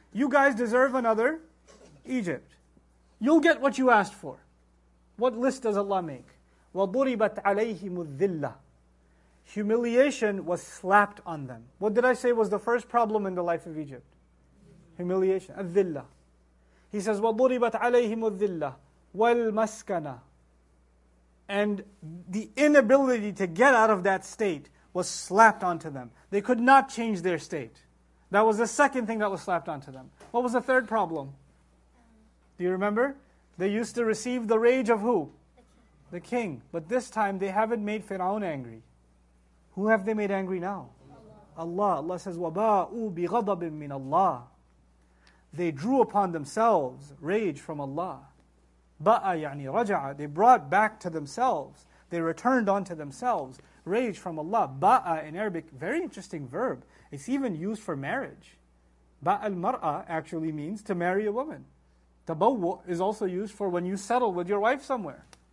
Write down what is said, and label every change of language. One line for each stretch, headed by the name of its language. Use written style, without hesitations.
English: You guys deserve another Egypt. You'll get what you asked for. What list does Allah make?
Arabic: وَضُرِبَتْ عَلَيْهِمُ الذِّلَّةِ.
English: Humiliation was slapped on them. What did I say was the first problem in the life of Egypt? Humiliation. الذِّلَّة. He says,
Arabic: وَضُرِبَتْ عَلَيْهِمُ الذِّلَّةِ وَالْمَسْكَنَةِ.
English: And the inability to get out of that state was slapped onto them. They could not change their state. That was the second thing that was slapped onto them. What was the third problem? Do you remember? They used to receive the rage of who? The king. But this time they haven't made Fir'aun angry. Who have they made angry now? Allah. Allah says,
Arabic: وَبَاءُوا بِغَضَبٍ مِّنَ اللَّهِ.
English: They drew upon themselves rage from Allah.
Arabic: بَاءَ يَعْنِي رَجَعَ.
English: They brought back to themselves. They returned onto themselves. Rage from Allah. Ba'a in Arabic, very interesting verb. It's even used for marriage. Ba'al mar'a actually means to marry a woman. Tabawwu is also used for when you settle with your wife somewhere.